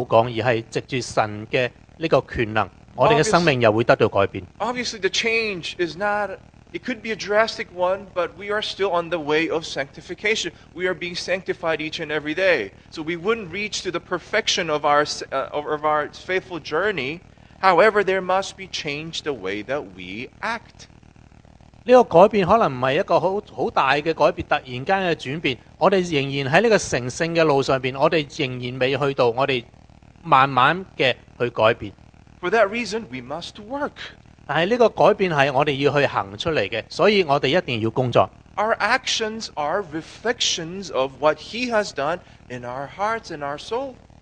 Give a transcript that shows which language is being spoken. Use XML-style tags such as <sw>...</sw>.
<zh>当我们去承认让这个神的国度进入到我们里面的时候，神的国度不是只是单单是口讲，而是藉着神的这个权能。</zh> <en>Obviously, the change is not, it could be a drastic one, but we are still on the way of sanctification. We are being sanctified each and every day. So we wouldn't reach to the perfection of our faithful journey. However, there must be change the way that we act.</en> <zh>这个改变可能不是一个很大的改变，突然间的转变。我们仍然在这个成圣的路上，我们仍然未去到，我们慢慢的去改变。</zh> <en>For that reason, we must work.</en> <zh>但是这个改变是我们要去行出来的，所以我们一定要工作。</zh> <en>Our actions are reflections of what He has done in our hearts and our soul.</en>